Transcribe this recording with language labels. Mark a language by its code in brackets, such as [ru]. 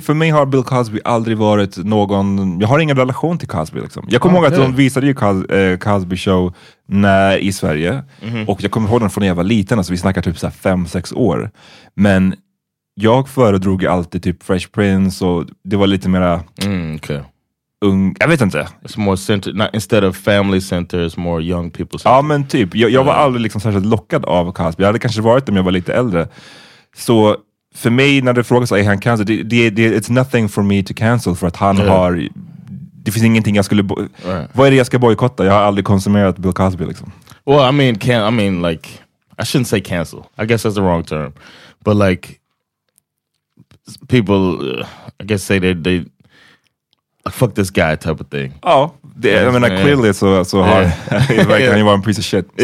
[sv] för mig har Bill Cosby aldrig varit någon... Jag har ingen relation till Cosby liksom. Jag kommer ihåg att de visade ju Cosby Show i Sverige. Mm-hmm. Och jag kommer ihåg den från när jag var liten. Alltså, vi snackar typ så här 5-6 år. Men jag föredrog alltid typ Fresh Prince. Och det var lite mera... [en] Okay. [sv] Jag vet inte. [en] It's more center, not instead of family center, it's more young people [sv] center. Ja, men typ. Jag var aldrig liksom särskilt lockad av Cosby. Jag hade kanske varit det om jag var lite äldre. Så för mig, när du frågar så är han cancel, [en] it's nothing for me to cancel, [sv] för att han har... Det finns ingenting jag skulle... Vad är det jag ska bojkotta? Jag har aldrig konsumerat Bill Cosby liksom. [en] Well, I mean, I shouldn't say cancel. I guess that's the wrong term. But like, people, I guess say that they... Fuck this guy type of thing. Oh, yeah, yes, I mean, like, clearly it's so hard. Yeah. Like, yeah. Anyone piece of shit. So.